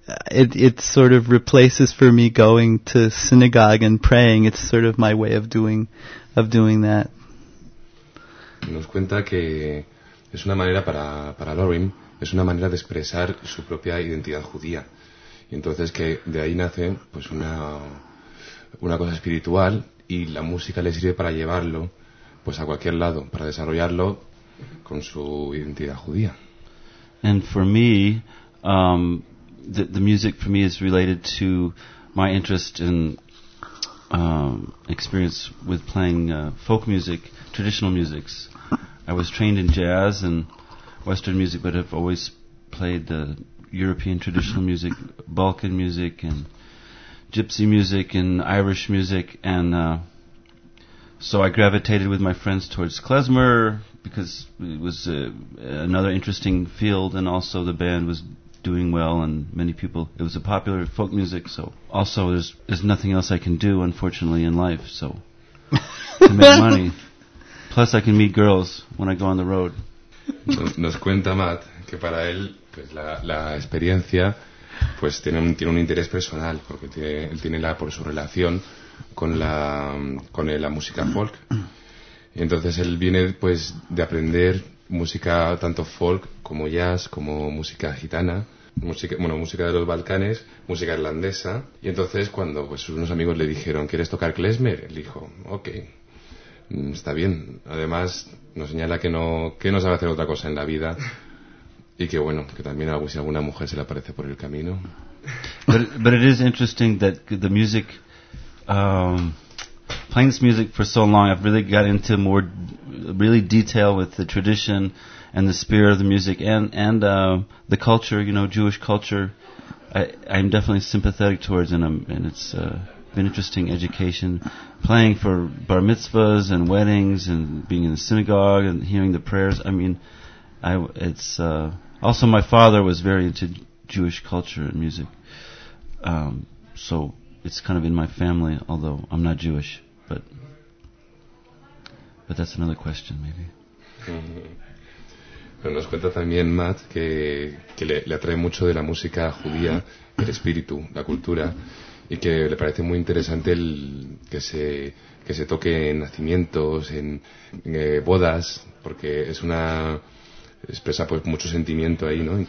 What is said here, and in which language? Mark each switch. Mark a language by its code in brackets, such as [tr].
[en] It sort of replaces for me going to synagogue and praying. It's sort of my way of doing that. [es] Nos cuenta que es una manera para Lauren, es una manera de expresar su propia identidad judía. Y entonces que de ahí nace pues una cosa espiritual, y la música le sirve para llevarlo pues a cualquier lado, para desarrollarlo con su identidad judía. [en] And for me, the music for me is related to my interest in experience with playing folk music, traditional musics. I was trained in jazz and western music, but have always played the European traditional music, Balkan music and gypsy music and Irish music, and so I gravitated with my friends towards klezmer, because it was another interesting field, and also the band was doing well, and many people, it was a popular folk music, so also there's nothing else I can do, unfortunately, in life, so to make money. Plus I can meet girls when I go on the road. [es] Nos cuenta Matt que para él pues la experiencia pues tiene un interés personal, porque él tiene la por su relación con la música folk. Y entonces él viene pues de aprender música tanto folk como jazz, como música gitana, música de los Balcanes, música irlandesa. Y entonces cuando pues unos amigos le dijeron, ¿quieres tocar klezmer? Él dijo, ok, está bien. Además, nos señala que no sabe hacer otra cosa en la vida. Y que bueno, que también si alguna mujer se le aparece por el camino. [en] But it is interesting that the music, playing this music for so long, I've really got into more really detail with the tradition and the spirit of the music and the culture, you know, Jewish culture. I'm definitely sympathetic towards, and it's been interesting education, playing for bar mitzvahs and weddings and being in the synagogue and hearing the prayers. I mean, it's also my father was very into Jewish culture and music, so it's kind of in my family, although I'm not Jewish, but that's another question, maybe. [es] Pero nos cuenta también Matt que le atrae mucho de la música judía, el espíritu, la cultura, y que le parece muy interesante que se toque en nacimientos, en bodas, porque es una expresa pues mucho sentimiento ahí, ¿no?